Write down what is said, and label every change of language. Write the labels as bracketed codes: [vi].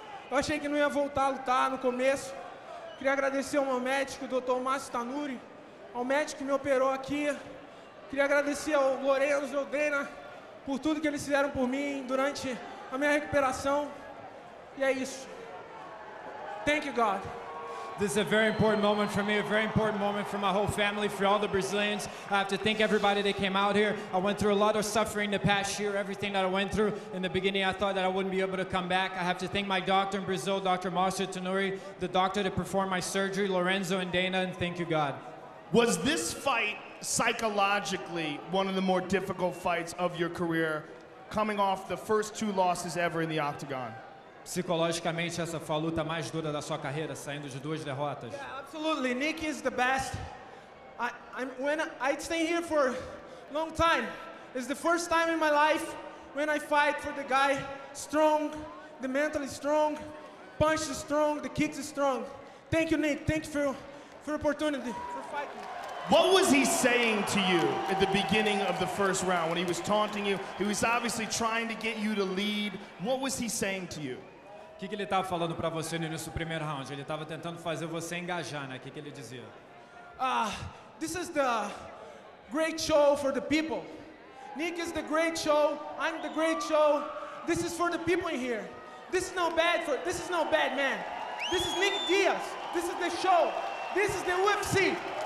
[pt] Eu achei que não ia voltar a lutar no começo. Queria agradecer ao meu médico, o Dr. Márcio Tanuri, ao médico que me operou aqui. Queria agradecer ao Lorenzo e ao Dana por tudo que eles fizeram por mim durante a minha recuperação. E é isso. [en] Thank you, God. This is a very important moment for me, a very important moment for my whole family, for all the Brazilians. I have to thank everybody that came out here. I went through a lot of suffering the past year, everything that I went through. In the beginning, I thought that I wouldn't be able to come back. I have to thank my doctor in Brazil, Dr. Marcio Tanuri, the doctor that performed my surgery, Lorenzo and Dana, and thank you, God. Was this fight psychologically one of the more difficult fights of your career, coming off the first two losses ever in the Octagon? [pt] Psicologicamente, essa foi a luta mais dura da sua carreira, saindo de duas derrotas. [en] Yeah, absolutely. Nick is the best. I'd stay here for a long time. It's the first time in my life when I fight for the guy strong, the mentally strong, punch is strong, the kicks is strong. Thank you, Nick. Thank you for the opportunity for fighting. What was he saying to you at the beginning of the first round when he was taunting you? He was obviously trying to get you to lead. What was he saying to you? [pt] O que ele estava falando para você no início do primeiro round? Ele estava tentando fazer você engajar, né? O que ele dizia? [en] This is the great show for the people. Nick is the great show. I'm the great show. This is for the people in here. This is no bad man. This is Nick Diaz. This is the show. This is the UFC.